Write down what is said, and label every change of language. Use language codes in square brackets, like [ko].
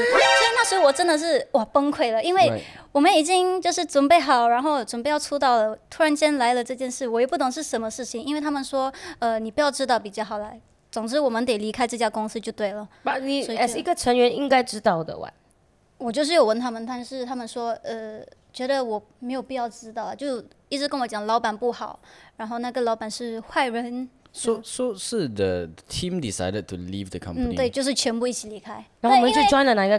[zh] 所以那时候我真的是， 哇，崩溃了， 因为我们已经就是准备好， 然后准备要出道了， 突然间来了这件事， 我也不懂是什么事情， 因为他们说， 你不要知道比较好来， 总之我们得离开这家公司就对了。 But 你as一个成员应该知道的，我就是有问他们， 但是他们说， 觉得我没有必要知道，就一直跟我讲老板不好，然后那个老板是坏人。 [en] So the team decided to leave the company. [zh] 对，就是全部一起离开。然后我们就join了哪一个